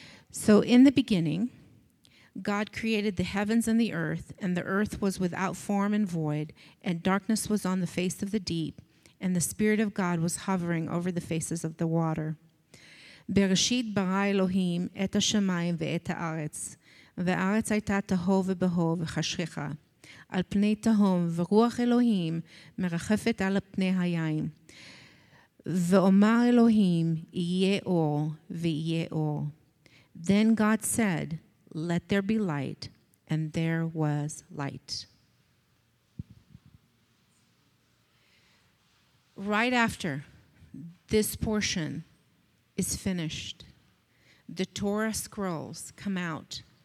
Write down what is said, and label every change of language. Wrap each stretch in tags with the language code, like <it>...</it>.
<en>So in the beginning, God created the heavens and the earth, and the earth was without form and void, and darkness was on the face of the deep, and the Spirit of God was hovering over the faces of the water.</en> <he>Bereshit bara Elohim et ha-shamayim ve-et ha-aretz. והארץ הייתה תהו ובהו וחשיכה, על פני תהום, ורוח אלוהים מרחפת על פני הים. ואומר אלוהים, יהיה אור ויהיה אור.</he> <en>Then God said, "Let there be light," and there was light. Right after this portion is finished, the Torah scrolls come out.</en>